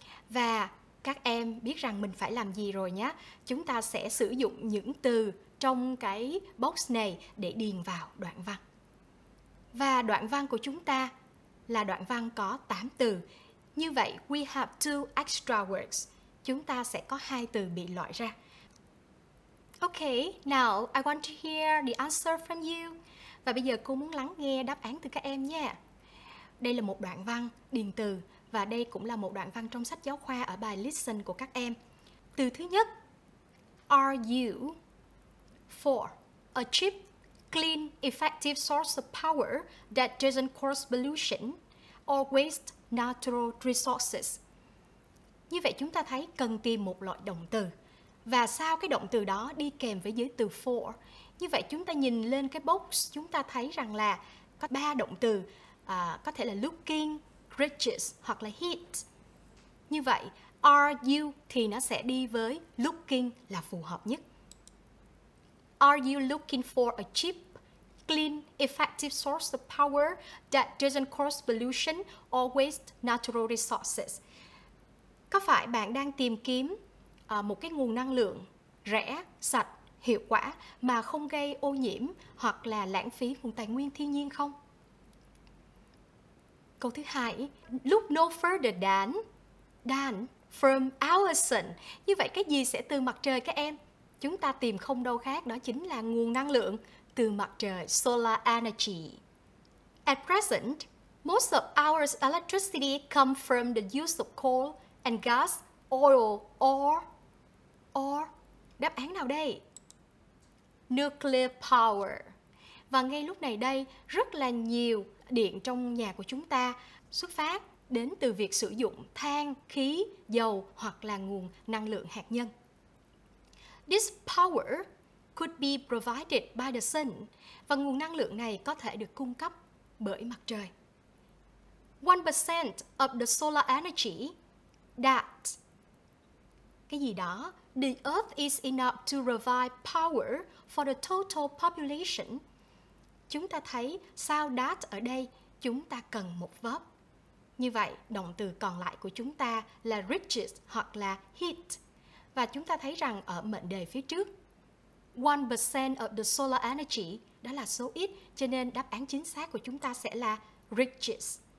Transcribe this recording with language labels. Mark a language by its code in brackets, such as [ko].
[vi] Và các em biết rằng mình phải làm gì rồi nhé. Chúng ta sẽ sử dụng những từ trong cái box này để điền vào đoạn văn. Và đoạn văn của chúng ta là đoạn văn có 8 từ. Như vậy, [en] we have 2 extra words. [vi] Chúng ta sẽ có 2 từ bị loại ra. [en] Okay, now I want to hear the answer from you. [vi] Và bây giờ cô muốn lắng nghe đáp án từ các em nha. Đây là một đoạn văn điền từ. Và đây cũng là một đoạn văn trong sách giáo khoa ở bài Listen của các em. Từ thứ nhất, [en] are you for a cheap, clean, effective source of power that doesn't cause pollution or waste natural resources? [vi] Như vậy chúng ta thấy cần tìm một loại động từ. Và sao cái động từ đó đi kèm với giới từ for? Như vậy chúng ta nhìn lên cái box, chúng ta thấy rằng là có 3 động từ, có thể là looking, riches hoặc là heat. Như vậy, are you thì nó sẽ đi với looking là phù hợp nhất. [en] Are you looking for a cheap, clean, effective source of power that doesn't cause pollution or waste natural resources? [vi] Có phải bạn đang tìm kiếm một cái nguồn năng lượng rẻ, sạch, hiệu quả mà không gây ô nhiễm hoặc là lãng phí nguồn tài nguyên thiên nhiên không? Câu thứ hai, [en] look no further than from our sun. [vi] Như vậy cái gì sẽ từ mặt trời các em? Chúng ta tìm không đâu khác, đó chính là nguồn năng lượng từ mặt trời, solar energy. [en] At present, most of our electricity come from the use of coal and gas, oil, or [vi] đáp án nào đây? [en] Nuclear power. [vi] Và ngay lúc này đây, rất là nhiều điện trong nhà của chúng ta xuất phát đến từ việc sử dụng than, khí, dầu hoặc là nguồn năng lượng hạt nhân. [en] This power could be provided by the sun. [vi] Và nguồn năng lượng này có thể được cung cấp bởi mặt trời. [en] 1% of the solar energy that [vi] cái gì đó, [en] the earth is enough to provide power for the total population. [vi] Chúng ta thấy sao that ở đây, chúng ta cần một verb. Như vậy, động từ còn lại của chúng ta là riches hoặc là heat. Và chúng ta thấy rằng ở mệnh đề phía trước, [en] 1% of the solar energy, [vi] đó là số ít, cho nên đáp án chính xác của chúng ta sẽ là riches.